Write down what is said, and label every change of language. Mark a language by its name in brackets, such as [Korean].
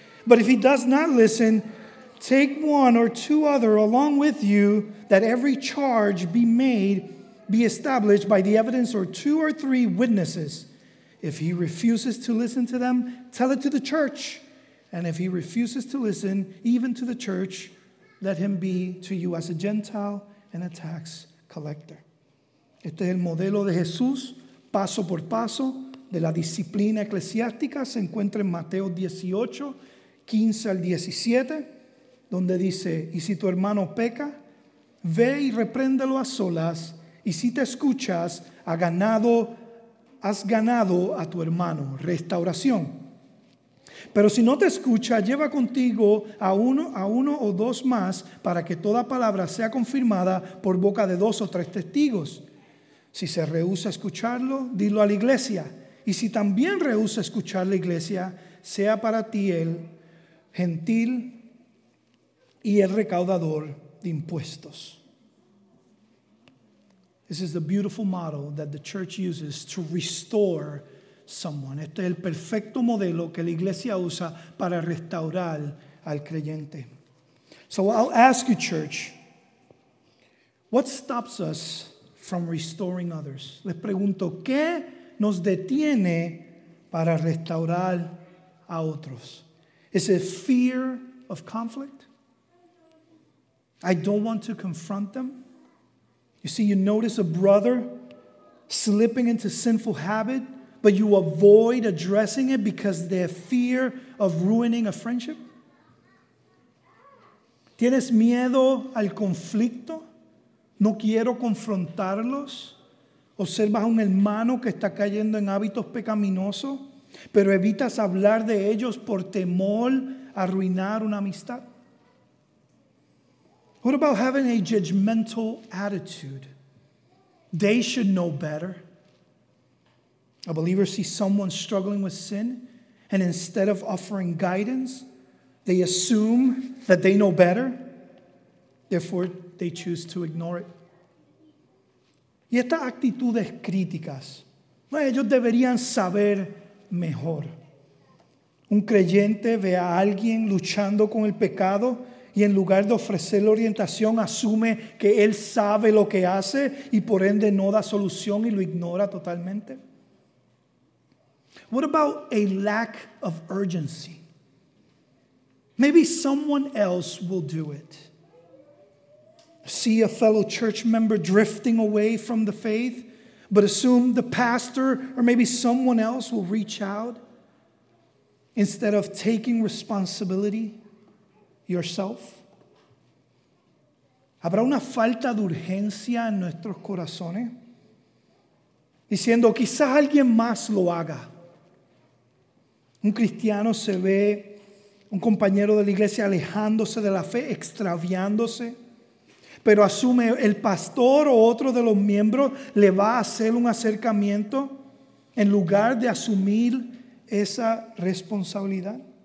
[English] But if he does not listen, take one or two other along with you, that every charge be established by the evidence or two or three witnesses. If he refuses to listen to them, tell it to the church. And if he refuses to listen, even to the church, let him be to you as a Gentile and a tax collector. [Spanish] Este es el modelo de Jesús, paso por paso, de la disciplina eclesiástica. Se encuentra en Mateo 18, 15 al 17, donde dice, y si tu hermano peca, ve y repréndelo a solas, y si te escuchas, has ganado a tu hermano. Restauración. Pero si no te escucha, lleva contigo a uno o dos más, para que toda palabra sea confirmada por boca de dos o tres testigos. Si se rehúsa a escucharlo, dilo a la iglesia. Y si también rehúsa escuchar la iglesia, sea para ti el gentil y el recaudador de impuestos. [English] This is the beautiful model that the church uses to restore someone. [Spanish] Este es el perfecto modelo que la iglesia usa para restaurar al creyente. [English] So I'll ask you, church, what stops us from restoring others? [Spanish] Les pregunto, ¿qué nos detiene para restaurar a otros? [English] Is it fear of conflict? I don't want to confront them. You see, you notice a brother slipping into sinful habit, but you avoid addressing it because they're fear of ruining a friendship. [Spanish] ¿Tienes miedo al conflicto? No quiero confrontarlos. Observas a un hermano que está cayendo en hábitos pecaminosos, pero evitas hablar de ellos por temor a arruinar una amistad. [English] What about having a judgmental attitude? They should know better. A believer sees someone struggling with sin, and instead of offering guidance, they assume that they know better. Therefore, they choose to ignore it. [Spanish] Y estas actitudes críticas, ellos deberían saber mejor. Un creyente ve a alguien luchando con el pecado y en lugar de ofrecerle orientación, asume que él sabe lo que hace y por ende no da solución y lo ignora totalmente. [English] What about a lack of urgency? Maybe someone else will do it. See a fellow church member drifting away from the faith, but assume the pastor or maybe someone else will reach out instead of taking responsibility yourself. [Spanish] ¿Habrá una falta de urgencia en nuestros corazones? Diciendo, quizás alguien más lo haga. Un cristiano se ve, un compañero de la iglesia alejándose de la fe, extraviándose, pero asume el pastor o otro de los miembros le va a hacer un acercamiento en lugar de asumir esa responsabilidad.